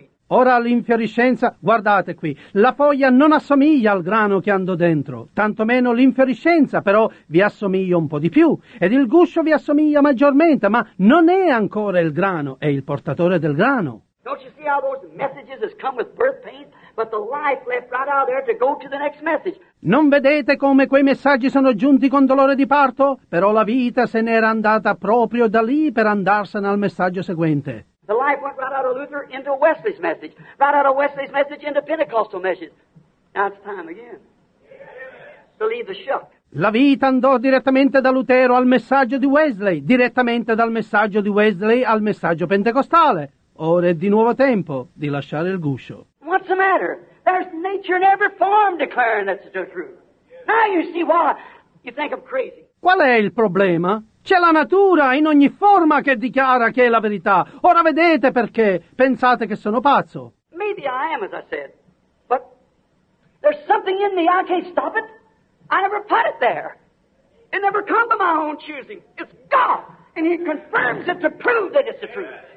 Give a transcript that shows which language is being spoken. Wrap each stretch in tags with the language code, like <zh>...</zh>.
<it>Ora l'infiorescenza, guardate qui, la foglia non assomiglia al grano che andò dentro, tantomeno l'infiorescenza, però vi assomiglia un po' di più, ed il guscio vi assomiglia maggiormente, ma non è ancora il grano, è il portatore del grano.</it> <en>Don't you see how those messages has come with birth pains, but the life left right out there to go to the next message?</en> <it>Non vedete come quei messaggi sono giunti con dolore di parto? Però la vita se n'era andata proprio da lì per andarsene al messaggio seguente.</it> <en>The life went right out of Luther into Wesley's message, right out of Wesley's message into Pentecostal message. Now it's time again to leave the shuck.</en> <it>La vita andò direttamente da Lutero al messaggio di Wesley, direttamente dal messaggio di Wesley al messaggio pentecostale. Ora è di nuovo tempo di lasciare il guscio.</it> <en>What's the matter? There's nature in every form declaring that's the truth. Now you see why you think I'm crazy.</en> <it>Qual è il problema? C'è la natura in ogni forma che dichiara che è la verità. Ora vedete perché pensate che sono pazzo.</it> <en>Maybe I am, as I said. But there's something in me, I can't stop it. I never put it there. It never come to my own choosing. It's God, and He confirms it to prove that it's the truth.</en>